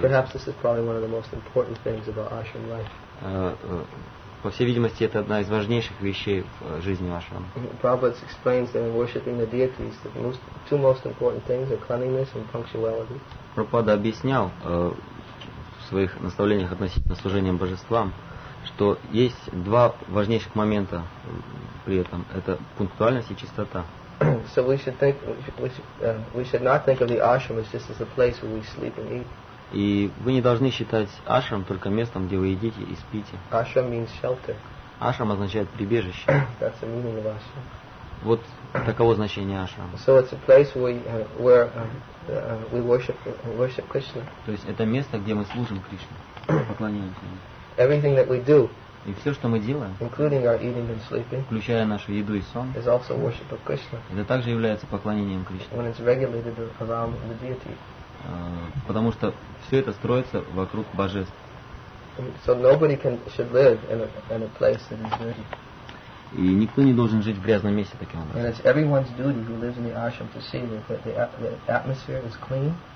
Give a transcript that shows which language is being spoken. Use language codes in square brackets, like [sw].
[ru] этим. [en] Perhaps this is probably one of the most important things about ashram life. [ru] По всей видимости, это одна из важнейших вещей в жизни ашрам. [en] Prabhupada explains that in worshipping the deities, the two most important things are cleanliness and punctuality. [ru] Прабхупада объяснял в своих наставлениях относительно служения божествам, что есть два важнейших момента при этом. Это пунктуальность и чистота. [en] So we should not think of the ashram as just as a place where we sleep and eat. [ru] И вы не должны считать ашрам только местом, где вы едите и спите. [en] Ashram means shelter. [ru] Ашрам означает прибежище. [en] That's the meaning of ashram. [ru] Вот таково значение ашрама. [en] So it's a place where we worship Krishna. [ru] То есть это место, где мы служим Кришне, поклоняемся Ему. [en] Everything that we do, [ru] и все, что мы делаем, [en] including our eating and sleeping, [ru] включая нашу еду и сон, [en] is also worship of Krishna. [ru] Это также является поклонением Кришне. [en] When it's regulated around the deity. [ru] Потому что все это строится вокруг божеств. [en] So nobody should live in a place that is dirty. [ru] И никто не должен жить в грязном месте таким образом. [en] And it's everyone's duty who lives in the ashram to see that the atmosphere is clean.